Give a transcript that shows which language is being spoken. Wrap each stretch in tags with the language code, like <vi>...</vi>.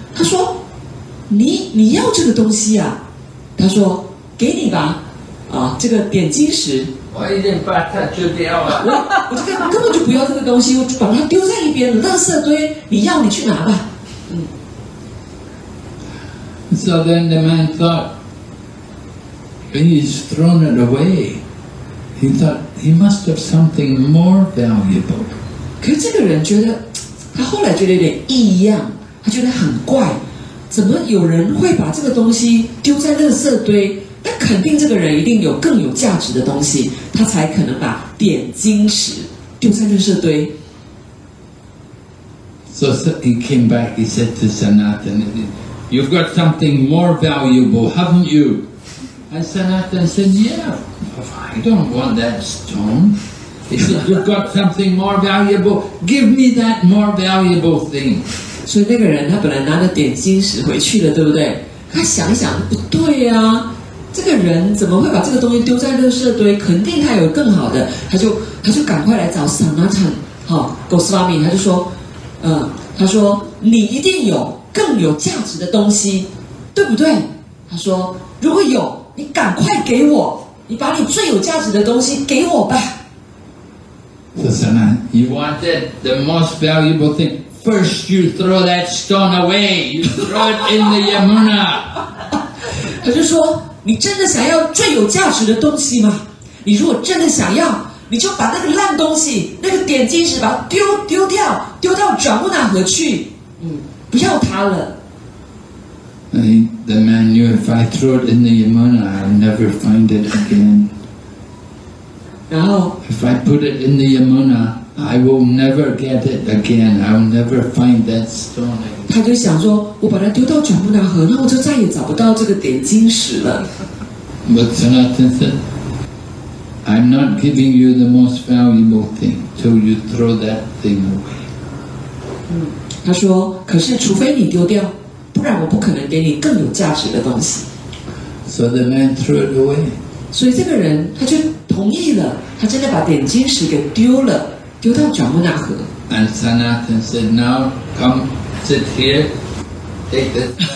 <zh>他说你要这个东西啊，他说给你吧，这个点金石我已经把它丢掉了，我这个根本就不要这个东西，我把它丢在一边垃圾堆，你要你去拿吧。</zh> <en>So then the man thought, when he's thrown it away, he thought he must have something more valuable.</en> <zh>可是这个人觉得他后来觉得有点异样，他觉得很怪，怎么有人会把这个东西丢在垃圾堆？那肯定这个人一定有更有价值的东西，他才可能把点金石丢在垃圾堆。</zh> <en>So he came back. He said to Sanatana, "You've got something more valuable, haven't you?" And Sanatana said, "Yeah, I don't want that stone." He said, "You've got something more valuable. Give me that more valuable thing."</en> <zh>所以那个人他本来拿了点金石回去了，对不对？他想一想，不对啊，这个人怎么会把这个东西丢在垃圾堆？肯定他有更好的，他就赶快来找 Sanatana Goswami， 他就说，他说你一定有更有价值的东西，对不对？他说如果有，你赶快给我，你把你最有价值的东西给我吧。</zh> <en>So Sanatana, you wanted the most valuable thing. First, you throw that stone away. You throw it in the Yamuna.</en> <zh>他就说，你真的想要最有价值的东西吗？你如果真的想要，你就把那个烂东西，那个点金石，把它丢掉，丢到Yamuna河去。不要它了。</zh> <en>The man knew if I throw it in the Yamuna, I'll never find it again.</en> <zh>然后</zh> <en>if I put it in the Yamuna. I will never get it again. I will never find that stone.</en> <zh>他就想说，我把它丢到卷木纳河，那我就再也找不到这个点金石了。</zh> <en>But Sanatana said, "I'm not giving you the most valuable thing till you throw that thing away."</en> <zh>他说，可是除非你丢掉，不然我不可能给你更有价值的东西。</zh> <en>So the man threw it away.</en> <zh>所以这个人他就同意了，他真的把点金石给丢了。</zh> <en>And Sanatana said, "Now come sit here, take this."</en>